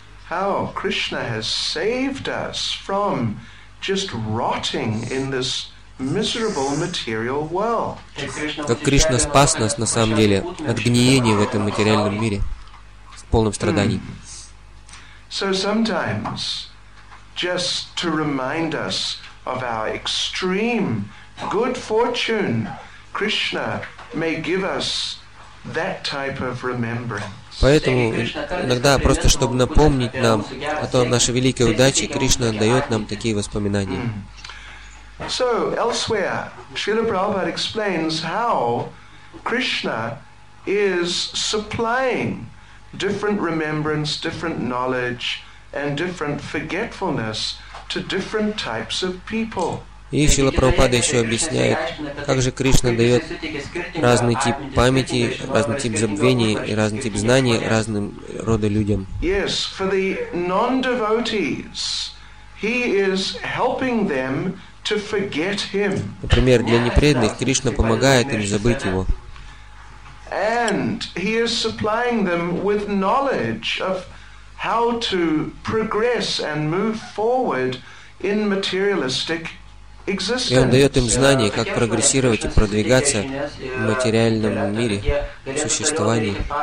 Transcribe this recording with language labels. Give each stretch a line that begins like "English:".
English: How Krishna has saved us from just rotting in this miserable material world.
Russian: Как Кришна спас нас на самом деле от гниения в этом материальном мире, в полном страдании.
English: So sometimes, just to remind us of our extreme good fortune, Krishna may give us that type of remembrance.
Russian: Поэтому иногда просто чтобы напомнить нам о том нашей великой удаче, Кришна дает нам такие воспоминания.
English: So elsewhere, Srila Prabhupada explains how Krishna is supplying different remembrance, different knowledge, and different forgetfulness to different types of people.
Russian: И Шрила Прабхупада еще объясняет, как же Кришна дает разный тип памяти, разный тип забвений и разный тип знаний разным родам людям.
English: Yes, for the non-devotees, he is helping them to forget him.
Russian: Например, для непреданных Кришна помогает им забыть его.
English: And he is supplying them with knowledge of how to progress and move forward in materialistic existence.
Russian: И он дает им знания, как прогрессировать и продвигаться в материальном мире, в существовании.